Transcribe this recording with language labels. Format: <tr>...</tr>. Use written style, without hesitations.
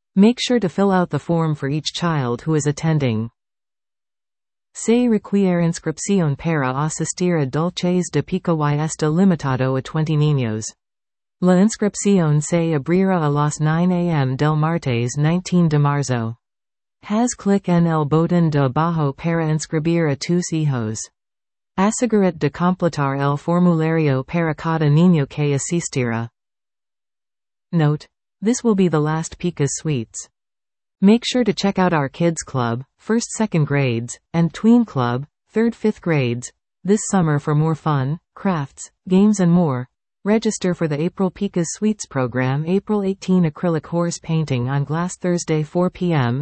<en>Make sure to fill out the form for each child who is attending.</en> <es>Se requiere inscripción para asistir a Dulces de Pica y está limitado a 20 niños. La inscripción se abrirá a las 9 a.m. del martes 19 de marzo. Haz clic en el botón de abajo para inscribir a tus hijos. Asegúrate de completar el formulario para cada niño que asistirá.</es> <en>Note. This will be the last Pica's Sweets. Make sure to check out our Kids Club, 1st-2nd grades, and Tween Club, 3rd-5th grades, this summer for more fun, crafts, games and more. Register for the April Pica's Sweets program April 18 acrylic horse painting on glass Thursday 4 p.m.</en>